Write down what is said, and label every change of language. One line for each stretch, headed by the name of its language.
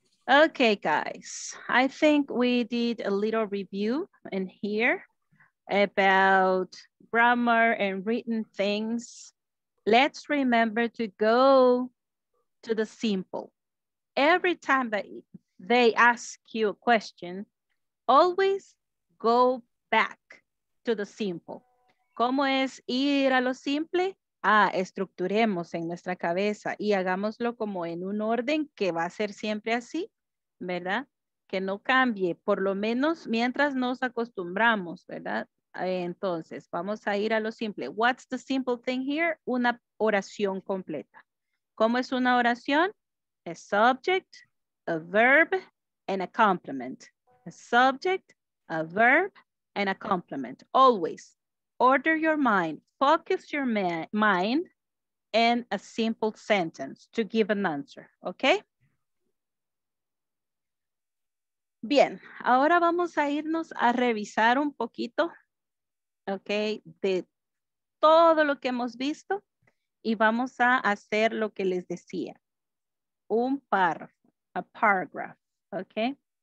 English: Okay, guys, I think we did a little review in here about grammar and written things. Let's remember to go to the simple. Every time that they ask you a question, always go back to the simple.
Spanish: ¿Cómo es ir a lo simple? Estructuremos en nuestra cabeza y hagámoslo como en un orden que va a ser siempre así. ¿Verdad? Que no cambie, por lo menos mientras nos acostumbramos, ¿verdad? Entonces, vamos a ir a lo simple.
English: What's the simple thing here?
Spanish: Una oración completa. ¿Cómo es una oración?
English: A subject, a verb, and a complement. A subject, a verb, and a complement. Always order your mind, focus your mind in a simple sentence to give an answer, okay?
Spanish: Bien, ahora vamos a irnos a revisar un poquito, ok, de todo lo que hemos visto y vamos a hacer lo que les decía, un párrafo,
English: a paragraph,
Spanish: ok.